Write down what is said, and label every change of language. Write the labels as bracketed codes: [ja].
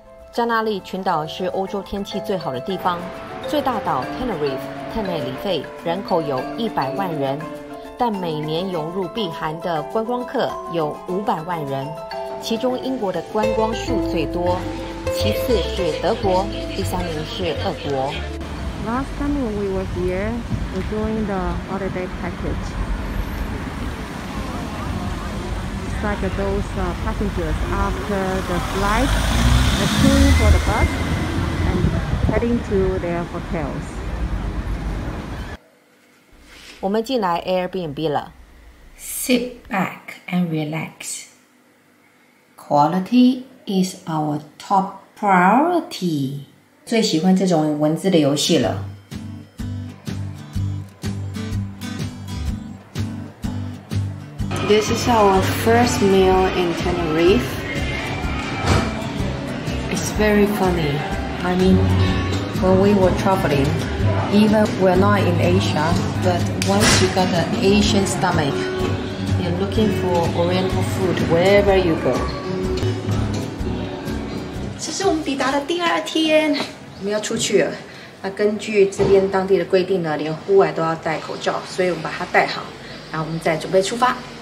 [zh] 加纳利群岛是欧洲天气最好的地方，最大岛 Tenerife 特内里费人口有100万人，但每年涌入避寒的观光客有500万人，其中英国的观光数最多。其次是德国，第三名是俄国。 [en] Last time we were here, we joined the holiday package. It's like those passengers after the flight, the queue for the bus, and heading to their hotels. [zh] 我们进来 Airbnb 了。 [en] Sit back and relax. Quality is our top. Priority， [zh] 最喜欢这种文字的游戏了。 [en] This is our first meal in Tenerife. It's very funny. I mean, when we were traveling, even we're not in Asia, but once you got an Asian stomach, you're looking for Oriental food wherever you go. [zh] 这是我们抵达的第二天，我们要出去了。那根据这边当地的规定呢，连户外都要戴口罩，所以我们把它戴好，然后我们再准备出发。